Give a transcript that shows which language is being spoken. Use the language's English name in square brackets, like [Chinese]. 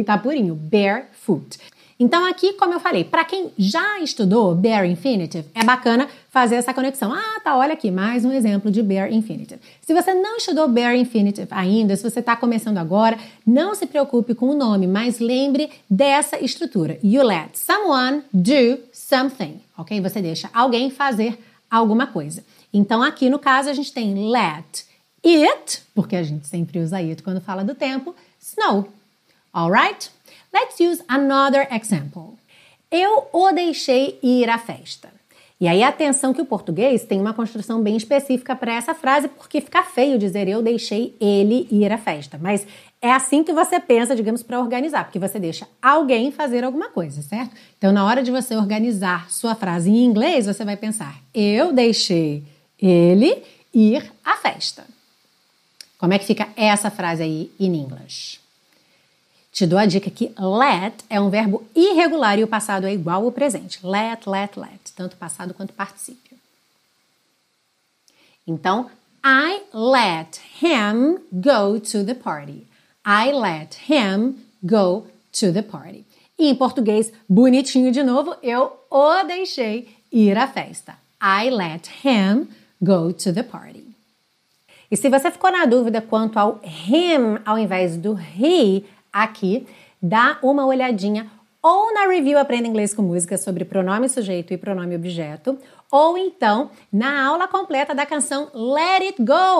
[Portuguese] Está purinho, barefoot. Então aqui, como eu falei, para quem já estudou bare infinitive, é bacana fazer essa conexão. Ah, tá, olha aqui, mais um exemplo de bare infinitive. Se você não estudou bare infinitive ainda, se você está começando agora, não se preocupe com o nome, mas lembre dessa estrutura. [English] You let someone do something, ok? [Portuguese] Você deixa alguém fazer alguma coisa. Então aqui, no caso, a gente tem let it, porque a gente sempre usa it quando fala do tempo, [English] snow, all right? Let's use another example. [Portuguese] Eu o deixei ir à festa. E aí, atenção que o português tem uma construção bem específica para essa frase, porque fica feio dizer eu deixei ele ir à festa. Mas é assim que você pensa, digamos, para organizar, porque você deixa alguém fazer alguma coisa, certo? Então, na hora de você organizar sua frase em inglês, você vai pensar eu deixei ele ir à festa. Como é que fica essa frase aí [English] in English? [Portuguese] Te dou a dica que let é um verbo irregular e o passado é igual ao presente. Let, let, let. Tanto passado quanto particípio. [English] Então, I let him go to the party. I let him go to the party. [Portuguese] E em português, bonitinho de novo, eu o deixei ir à festa. [English] I let him go to the party. [Portuguese] E se você ficou na dúvida quanto ao him ao invés do he, aqui, dá uma olhadinha ou na review Aprenda Inglês com Música sobre pronome sujeito e pronome objeto, ou então na aula completa da canção Let It Go.